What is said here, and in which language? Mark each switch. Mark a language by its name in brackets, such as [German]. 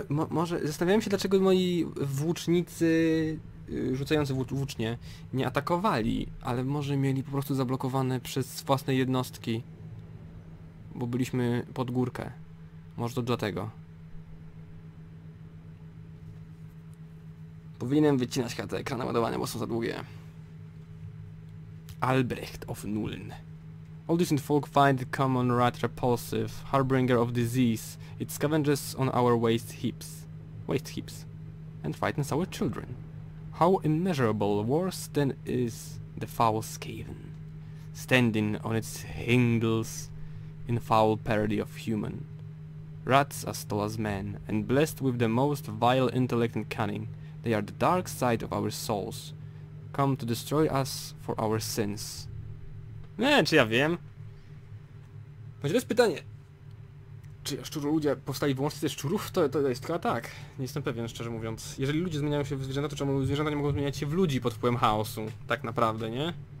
[Polish] Może zastanawiałem się, dlaczego moi włócznicy, rzucający włócznie, nie atakowali, ale może mieli po prostu zablokowane przez własne jednostki, bo byliśmy pod górkę. Może to dlatego. Powinienem wycinać te ekrany ładowania, bo są za długie. [English] Albrecht of Nuln. All decent folk find the common rat repulsive, harbinger of disease. It scavenges on our waste heaps, and frightens our children. How immeasurable worse than is the foul skaven, standing on its hingles in foul parody of human. Rats as tall as men, and blessed with the most vile intellect and cunning, they are the dark side of our souls, come to destroy us for our sins. [Polish] Nie, czy ja wiem? To jest pytanie. Czy szczuroludzie powstali wyłącznie ze szczurów? To jest tylko tak. Nie jestem pewien, szczerze mówiąc. Jeżeli ludzie zmieniają się w zwierzęta, to czemu zwierzęta nie mogą zmieniać się w ludzi pod wpływem chaosu? Tak naprawdę, nie?